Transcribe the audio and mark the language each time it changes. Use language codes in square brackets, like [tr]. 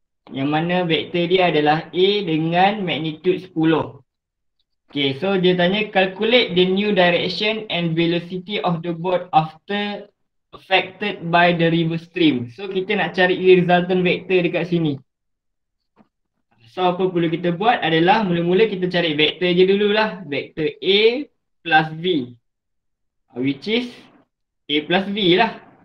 [ms] Yang mana vektor dia adalah A dengan magnitude 10. [en] Okay, so [ms] dia tanya [en] calculate the new direction and velocity of the boat after affected by the river stream. [ms] So kita nak cari resultant vector dekat sini. So apa perlu kita buat adalah mula-mula kita cari vector je dululah. [en] Vector A plus V, which is A plus V lah.